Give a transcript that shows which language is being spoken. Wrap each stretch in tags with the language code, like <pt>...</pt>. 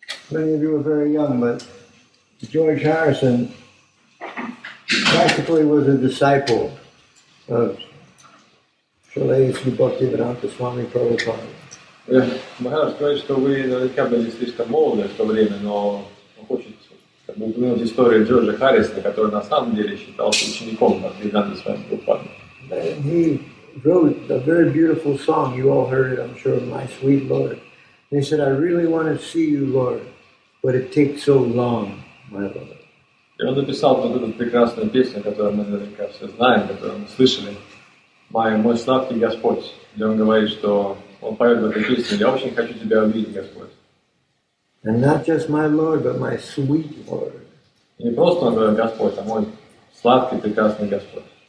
<en>Many of you were very young, but George Harrison practically was a disciple of Shalayasi Bhaktivedanta Swami Prabhupada.</en> <ru>Maharaj говорит, что вы наверняка были слишком молоды в то время, но он хочет упомянуть историю Джорджа Харрисона, который на самом деле считался учеником Бхактивиданты Свами Прабхупады.</ru> <en>Wrote a very beautiful song, you all heard it, I'm sure, My Sweet Lord. And he said, I really want to see you, Lord, but it takes so long, my Lord.</en> <ru>И он написал вот эту прекрасную песню, которую мы наверняка все знаем, которую мы слышали. Мой сладкий Господь. И он говорит, что он поет в этой песне, я очень хочу тебя увидеть, Господь.</ru> <en>And not just my Lord, but my sweet Lord.</en> <ru>И не просто он говорит, Господь, а мой сладкий, прекрасный Господь.</ru>